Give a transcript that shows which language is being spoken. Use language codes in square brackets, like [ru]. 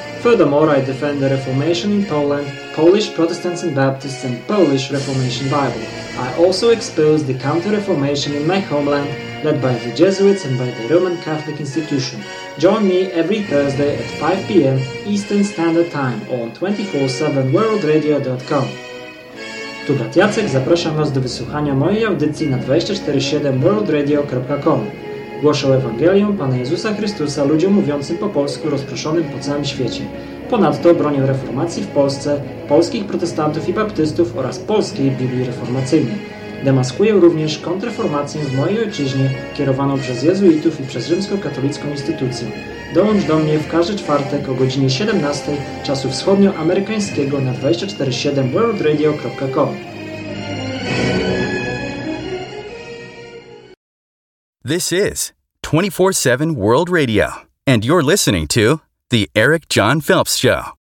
[en] Furthermore, I defend the Reformation in Poland, Polish Protestants and Baptists, and Polish Reformation Bible. I also expose the Counter-Reformation in my homeland, led by the Jesuits and by the Roman Catholic Institution. Join me every Thursday at 5 p.m. Eastern Standard Time on 247worldradio.com. [pl] Tu brat Jacek, zapraszam Was do wysłuchania mojej audycji na 247worldradio.com. Głoszę Ewangelię Pana Jezusa Chrystusa ludziom mówiącym po polsku rozproszonym po całym świecie. Ponadto bronię reformacji w Polsce, polskich protestantów i baptystów oraz polskiej Biblii reformacyjnej. Demaskuję również kontrreformację w mojej ojczyźnie kierowaną przez jezuitów i przez rzymskokatolicką instytucję. Dołącz do mnie w każdy czwartek o godzinie 17 czasu wschodnioamerykańskiego na 247worldradio.com. [en] This is 24/7 World Radio, and you're listening to The Eric John Phelps Show.